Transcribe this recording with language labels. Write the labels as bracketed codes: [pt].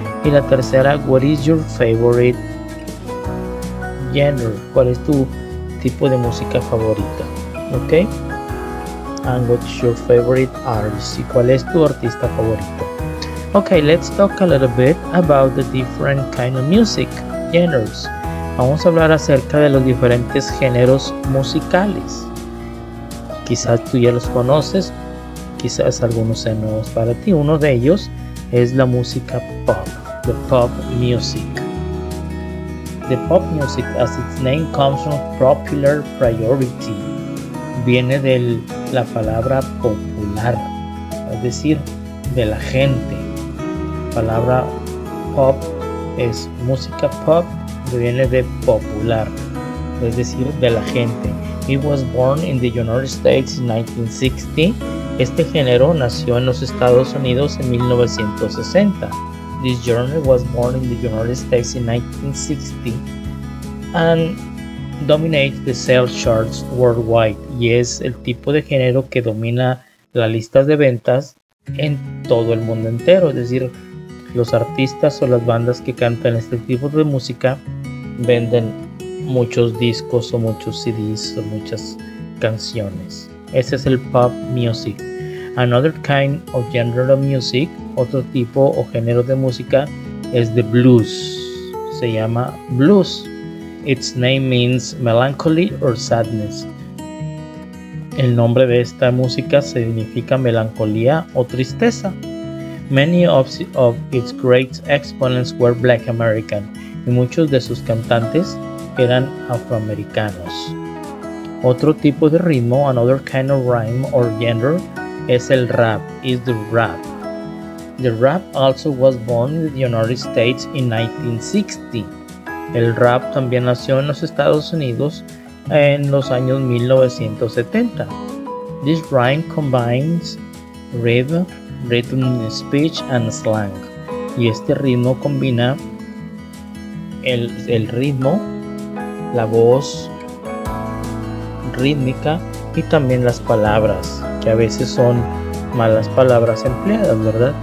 [es] Y la tercera, [en] what is your favorite genre? [es] ¿Cuál es tu tipo de música favorita? ¿Ok? [en] And what's your favorite artist? [es] ¿Y cuál es tu artista favorito? [en] Ok, let's talk a little bit about the different kind of music genres. [es] Vamos a hablar acerca de los diferentes géneros musicales. Quizás tú ya los conoces. Quizás algunos sean nuevos para ti. Uno de ellos es la música pop, [en] the pop music. The pop music, as its name comes from popular priority, [es] viene de la palabra popular, es decir, de la gente. La palabra pop es música pop, viene de popular, es decir, de la gente. [en] It was born in the United States in 1960. [es] Este género nació en los Estados Unidos en 1960. [en] This genre was born in the United States in 1960 and dominates the sales charts worldwide. [es] Y es el tipo de género que domina las listas de ventas en todo el mundo entero. Es decir, los artistas o las bandas que cantan este tipo de música venden muchos discos o muchos CDs o muchas canciones. Ese es el pop music. [en] Another kind of genre of music, [es] otro tipo o género de música, es [en] the blues. [es] Se llama blues. [en] Its name means melancholy or sadness. [es] El nombre de esta música significa melancolía o tristeza. [en] Many of its great exponents were black American. [es] Y muchos de sus cantantes eran afroamericanos. Otro tipo de ritmo, [en] another kind of rhyme or genre, [es] es el rap, [en] is the rap. The rap also was born in the United States in 1960. [es] El rap también nació en los Estados Unidos en los años 1970. [en] This rhyme combines rhythm, speech and slang. [es] Y este ritmo combina el ritmo, la voz rítmica y también las palabras, que a veces son malas palabras empleadas, ¿verdad?